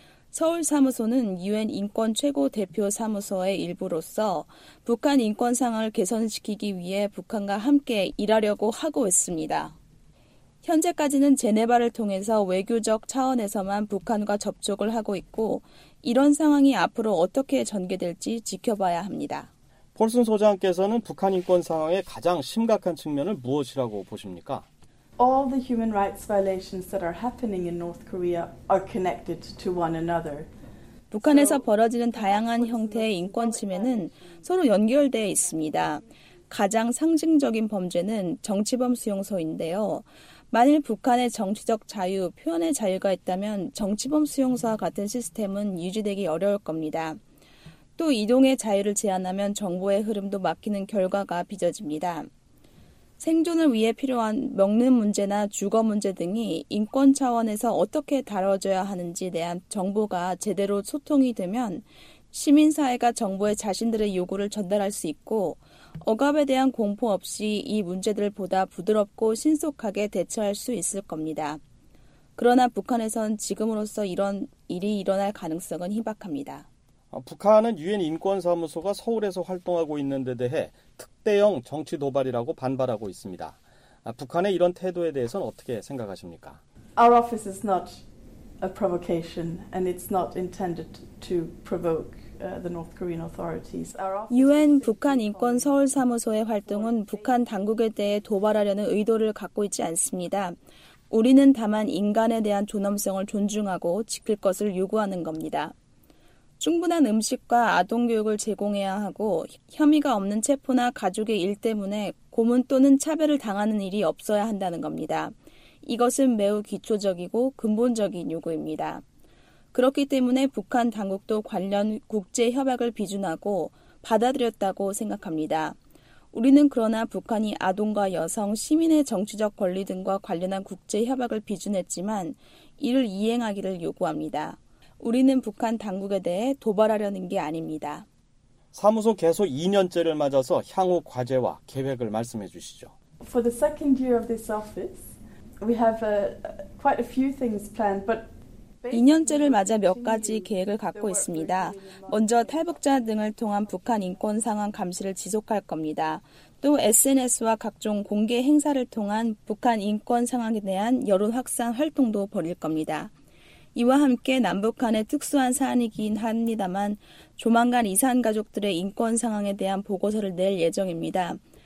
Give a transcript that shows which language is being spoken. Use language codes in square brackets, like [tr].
[ko] 서울사무소는 UN 인권 최고 대표 사무소의 일부로서 북한 인권 상황을 개선시키기 위해 북한과 함께 일하려고 하고 있습니다. 현재까지는 제네바를 통해서 외교적 차원에서만 북한과 접촉을 하고 있고 이런 상황이 앞으로 어떻게 전개될지 지켜봐야 합니다. 폴슨 소장께서는 북한 인권 상황의 가장 심각한 측면을 무엇이라고 보십니까? [en] All the human rights violations that are happening in North Korea are connected to one another. [ko] 북한에서 벌어지는 다양한 형태의 인권 침해는 서로 연결되어 있습니다. 가장 상징적인 범죄는 정치범 수용소인데요. 만일 북한의 정치적 자유, 표현의 자유가 있다면 정치범 수용소와 같은 시스템은 유지되기 어려울 겁니다. 또 이동의 자유를 제한하면 정보의 흐름도 막히는 결과가 빚어집니다. 생존을 위해 필요한 먹는 문제나 주거 문제 등이 인권 차원에서 어떻게 다뤄져야 하는지에 대한 정보가 제대로 소통이 되면 시민사회가 정부에 자신들의 요구를 전달할 수 있고 억압에 대한 공포 없이 이 문제들보다 부드럽고 신속하게 대처할 수 있을 겁니다. 그러나 북한에선 지금으로서 이런 일이 일어날 가능성은 희박합니다. 북한은 UN 인권사무소가 서울에서 활동하고 있는 데 대해 특대형 정치 도발이라고 반발하고 있습니다. 북한의 이런 태도에 대해서는 어떻게 생각하십니까? [en] Our office is not a provocation and it's not intended to provoke the North Korean authorities. [ko] UN 북한 인권 서울 사무소의 활동은 북한 당국에 대해 도발하려는 의도를 갖고 있지 않습니다. 우리는 다만 인간에 대한 존엄성을 존중하고 지킬 것을 요구하는 겁니다. 충분한 음식과 아동교육을 제공해야 하고 혐의가 없는 체포나 가족의 일 때문에 고문 또는 차별을 당하는 일이 없어야 한다는 겁니다. 이것은 매우 기초적이고 근본적인 요구입니다. 그렇기 때문에 북한 당국도 관련 국제 협약을 비준하고 받아들였다고 생각합니다. 우리는 그러나 북한이 아동과 여성, 시민의 정치적 권리 등과 관련한 국제 협약을 비준했지만 이를 이행하기를 요구합니다. 우리는 북한 당국에 대해 도발하려는 게 아닙니다. 사무소 개소 2년째를 맞아서 향후 과제와 계획을 말씀해 주시죠. [en] For the second year of this office, we have quite a few things planned, but [ko] 2년째를 맞아 몇 가지 계획을 갖고 있습니다. 먼저 탈북자 등을 통한 북한 인권 상황 감시를 지속할 겁니다. 또 SNS와 각종 공개 행사를 통한 북한 인권 상황에 대한 여론 확산 활동도 벌일 겁니다. 이와 함께 남북 간의 특수한 사안이긴 합니다만 조만간 이산 가족들의 인권 상황에 대한 보고서를 낼 예정입니다.